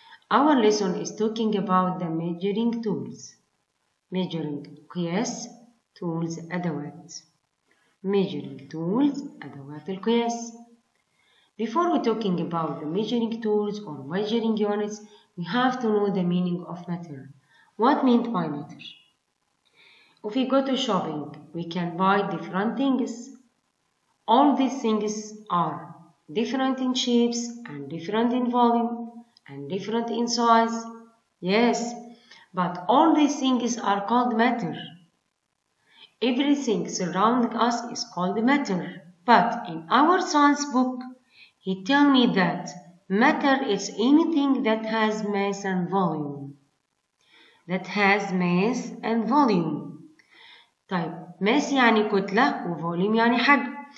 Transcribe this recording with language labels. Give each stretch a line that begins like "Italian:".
English: Our lesson is talking about the measuring tools. Measuring, قياس, tools, أدوات. Measuring tools,
Arabic: أدوات القياس.
English: Before we talking about the measuring tools or measuring units, we have to know the meaning of matter. What means by matter? If we go to shopping, we can buy different things. All these things are different in shapes and different in volume and different in size. Yes, but all these things are called matter. Everything surrounding us is called matter. But in our science book, he tell me that matter is anything that has mass and volume. That has mass and volume.
Arabic: طيب mass يعني كتلة و volume يعني حجم.